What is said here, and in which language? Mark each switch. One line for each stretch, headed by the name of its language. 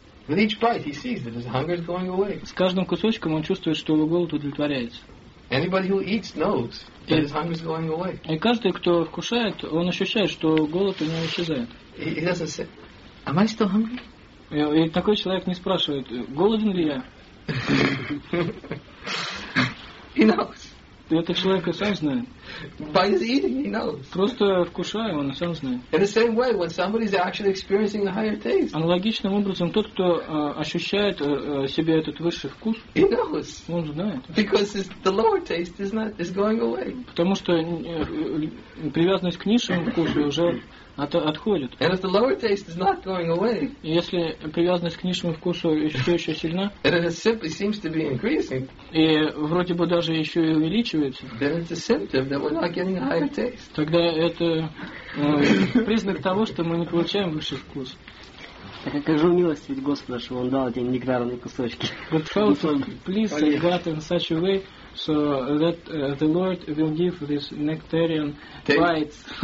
English: With each bite he sees that his hunger is going away.
Russian: С каждым кусочком он чувствует, что его голод удовлетворяется.
English: Anybody who eats knows that his hunger is going away.
Russian: И каждый, кто вкушает, он ощущает, что голод у него исчезает.
English: He doesn't say, am I still hungry?
Russian: И такой человек не спрашивает, голоден ли я?
English: He knows.
Russian: Это человек и сам знает.
English: By his eating, he knows.
Russian: Просто вкушая, он и сам знает.
English: In the same way, when somebody is actually experiencing a higher taste.
Russian: Аналогичным образом, тот, кто ощущает себе этот высший вкус,
English: he knows.
Russian: Он знает.
English: Because the lower taste is going away.
Russian: Потому что привязанность к низшему вкусу уже отходит.
English: And if the lower taste is not going away.
Russian: Если привязанность к низшему вкусу все еще сильна.
English: And it simply seems to be increasing.
Russian: И вроде бы даже еще и увеличивается.
English: Then it's a symptom that we're not getting a higher taste.
Russian: Тогда это признак того, что мы не получаем высший вкус. Так как же милость ведь Господа, что он дал эти нектарные кусочки.
English: But how to please God in such a way so that the Lord will give this nectarian bites.